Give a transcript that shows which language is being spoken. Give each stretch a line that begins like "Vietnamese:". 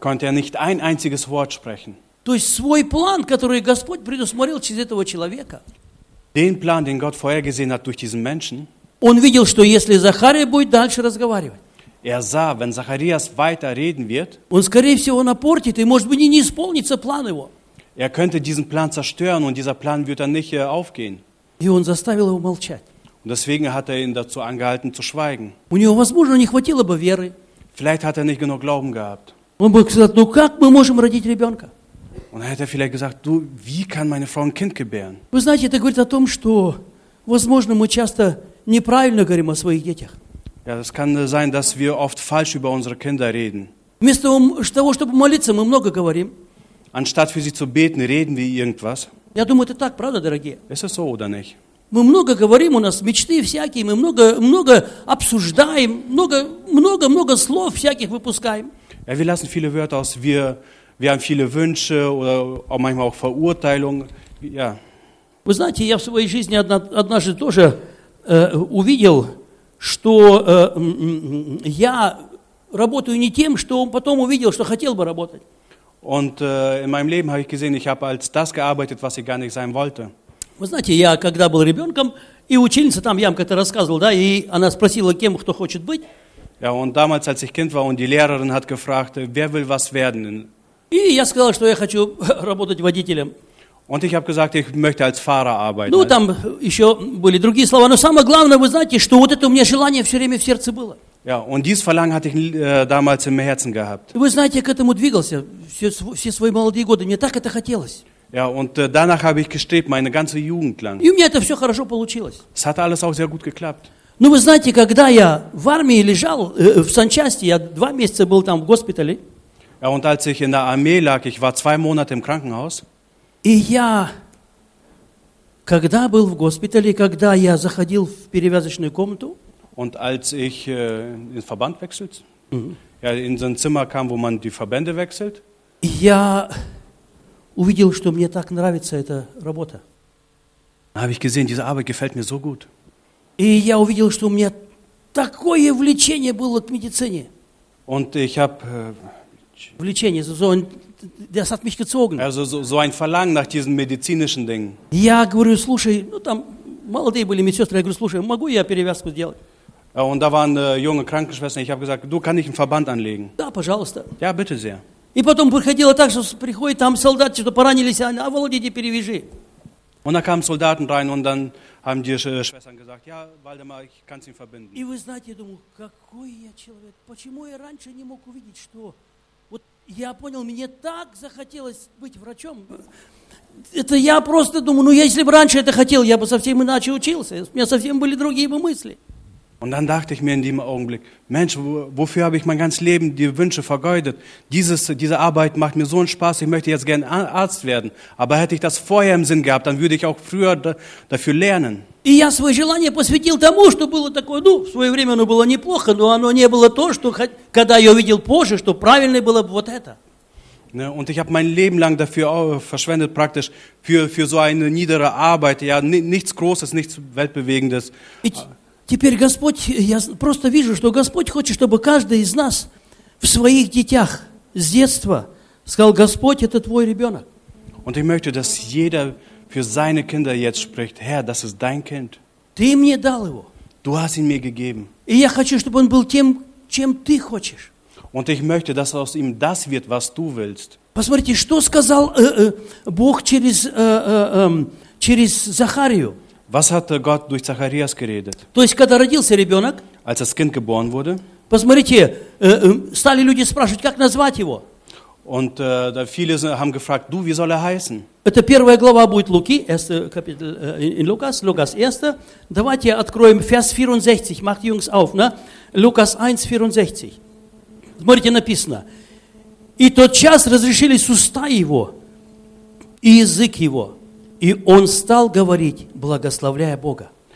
German: Konnte nicht ein einziges Wort sprechen.
Russian: То есть свой план, который Господь предусмотрел через этого человека.
German: Den Plan, den Gott vorhergesehen hat durch diesen Menschen.
Russian: Он видел, что если Захария будет дальше разговаривать.
German: Sah, wenn Zacharias weiter reden wird,
Russian: он, скорее всего, напортит, и, может быть, не исполнится план его.
German: Könnte diesen Plan zerstören, und dieser Plan wird dann nicht aufgehen.
Russian: И он заставил его молчать.
German: Und deswegen hat ihn dazu angehalten, zu schweigen.
Russian: У него, возможно, не хватило бы веры.
German: Vielleicht hat nicht genug Glauben gehabt.
Russian: Он бы сказал, ну как мы можем родить ребенка?
German: Und hätte vielleicht gesagt, du, wie kann meine Frau ein Kind gebären?
Russian: Вы знаете, это говорит о том, что, возможно, мы часто неправильно говорим о своих детях.
German: Ja, es kann sein, dass wir oft falsch über unsere Kinder reden.
Russian: Вместо того, чтобы молиться, мы много говорим.
German: Anstatt für sie zu beten, reden wir irgendwas.
Russian: Я думаю, это так, правда, дорогие?
German: Ist es so oder nicht?
Russian: Мы много говорим, у нас мечты всякие, мы много обсуждаем, много слов всяких выпускаем.
German: Ja, wir lassen viele Wörter aus. Wir haben viele Wünsche oder auch manchmal auch Verurteilungen. Ja.
Russian: Вы знаете, я в своей жизни однажды тоже увидел, что я работаю не тем, что он потом увидел, что хотел бы работать.
German: Und in meinem Leben habe ich gesehen, ich habe als das gearbeitet, was ich gar nicht sein wollte.
Russian: Вы знаете, я когда был ребенком, и учительница там, я вам как-то рассказывал, да, и она спросила, кем кто хочет быть.
German: Ja, und damals, als ich Kind war, und die Lehrerin hat gefragt, wer will was werden?
Russian: И я сказал, что я хочу работать водителем.
German: Und ich habe gesagt, ich möchte als Fahrer arbeiten.
Russian: Ну, там еще были другие слова, но самое главное, вы знаете, что вот это у меня желание все время в сердце было.
German: Ja, und dieses Verlangen hatte ich damals im Herzen gehabt.
Russian: Вы знаете, я к этому двигался все свои молодые годы, мне так это хотелось.
German: Ja, und danach habe ich gestrebt, meine ganze Jugend lang.
Russian: И у меня это все хорошо получилось.
German: Es hat alles auch sehr gut geklappt.
Russian: Ну, вы знаете, когда я в армии лежал, в санчасти, я два месяца был там в госпитале.
German: Ja, und als ich in der Armee lag, ich war zwei Monate im Krankenhaus.
Russian: И я, когда был в госпитале, когда я заходил в перевязочную комнату,
German: und als ich ins Verband wechselt, ja, in so ein Zimmer kam, wo man die Verbände wechselt,
Russian: я увидел, что мне так нравится эта работа.
German: Habe ich gesehen, diese Arbeit gefällt mir so gut.
Russian: И я увидел, что у меня такое влечение было к медицине.
German: Und ich habe
Russian: влечение,
German: so ein, das hat mich gezogen. Also so ein Verlangen nach diesen medizinischen Dingen.
Russian: Я говорю, слушай, ну там молодые были медсестры, я говорю, слушай, могу я перевязку сделать?
German: Und da waren junge Krankenschwestern. Ich habe gesagt, du, kann ich einen Verband anlegen?
Russian: Да, пожалуйста.
German: Ja, bitte sehr.
Russian: И потом приходило так, что приходит там солдат, что поранились, а Володя, иди перевяжи.
German: Und dann kamen Soldaten rein und dann haben die Schwestern gesagt, ja, Waldemar, ich kann es ihm verbinden.
Russian: И вы знаете, я думаю, какой я человек, почему я раньше не мог увидеть, что вот я понял, мне так захотелось быть врачом. Это я просто думаю, ну если бы раньше это хотел, я бы совсем иначе учился, у меня совсем были другие бы мысли.
German: Und dann dachte ich mir in dem Augenblick, Mensch, wofür habe ich mein ganzes Leben die Wünsche vergeudet? Diese Arbeit macht mir so einen Spaß, ich möchte jetzt gerne Arzt werden. Aber hätte ich das vorher im Sinn gehabt, dann würde ich auch früher dafür lernen.
Russian: И я свое желание посвятил тому, что было такое, ну, в свое время оно было неплохо, но оно не было то, что, когда я увидел позже, что правильно было бы вот это.
German: Und ich habe mein Leben lang dafür verschwendet, praktisch für so eine niedere Arbeit, ja, nichts Großes, nichts Weltbewegendes.
Russian: Теперь Господь, я просто вижу, что Господь хочет, чтобы каждый из нас в своих детях с детства сказал: Господь, это твой ребенок.
German: Und ich möchte, dass jeder für seine Kinder jetzt spricht: Herr, das ist dein Kind.
Russian: Ты мне дал его.
German: Du hast ihn mir gegeben.
Russian: И я хочу, чтобы он был тем, чем ты хочешь.
German: Und ich möchte, dass aus ihm das wird, was du willst.
Russian: Посмотрите, что сказал Бог через Захарию.
German: Was hat Gott durch Zacharias geredet?
Russian: То есть, когда родился ребенок,
German: als das Kind geboren wurde,
Russian: посмотрите, стали люди спрашивать, как назвать его.
German: Und da viele haben gefragt, du, wie soll er heißen?
Russian: Это первая глава будет Луки,
German: erste Kapitel, in Lukas,
Russian: Lukas 1. Давайте откроем
German: Vers 64, macht die Jungs auf, ne?
Russian: Lukas 1, 64. Смотрите, написано. И тотчас разрешились уста его и язык его. И он стал говорить, благословляя Бога.